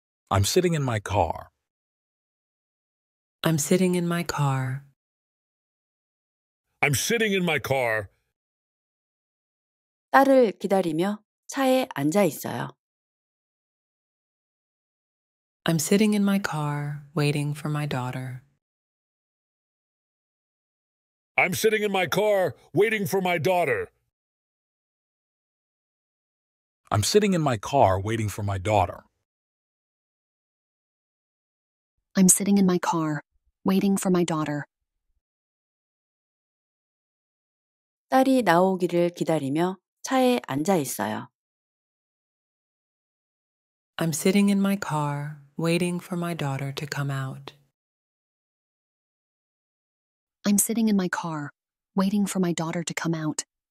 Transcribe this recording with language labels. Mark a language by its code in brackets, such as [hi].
[en] I'm sitting in my car. I'm sitting in my car. I'm sitting in my car. [ko] 딸을 기다리며 차에 앉아 있어요. [en] I'm sitting in my car waiting for my daughter. I'm sitting in my car waiting for my daughter. I'm sitting in my car waiting for my daughter. I'm sitting in my car waiting for my daughter. [ko] 딸이 나오기를 기다리며 차에 앉아 있어요. [en] I'm sitting in my car waiting for my daughter to come out. I'm sitting in my car waiting for my daughter to come out.